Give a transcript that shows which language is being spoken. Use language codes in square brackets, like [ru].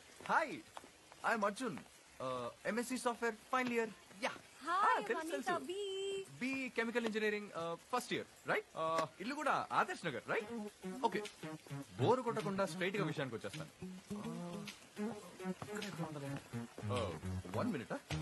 [en] Hi, I'm Arjun, MSc software final year. B chemical engineering, first year, right? [te] ఇల్లు కూడా Adarsh Nagar, right? Okay, bore కొట్టకుండా straight గా విషయానికి వచ్చేస్తాను. [en] One minute.